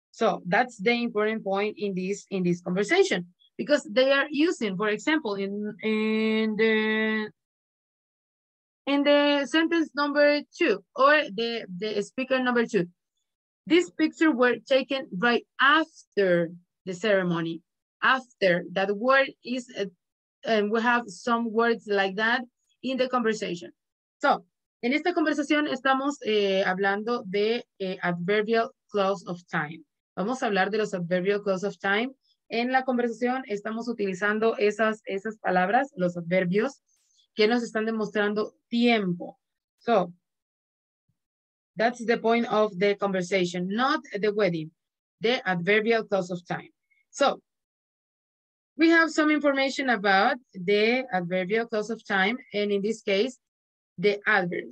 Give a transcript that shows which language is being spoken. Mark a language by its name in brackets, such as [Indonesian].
[English] So that's the important point in this conversation, because they are using, for example, in the sentence number two, or the speaker number two. These pictures were taken right after the ceremony. After, that word is, and we have some words like that in the conversation. [Spanish] So, en esta conversación estamos hablando de adverbial clause of time. Vamos a hablar de los adverbial clause of time. En la conversación estamos utilizando esas palabras, los adverbios, que nos están demostrando tiempo. [English] So, that's the point of the conversation, not the wedding, the adverbial clause of time. So, we have some information about the adverbial clause of time, and in this case, the adverb.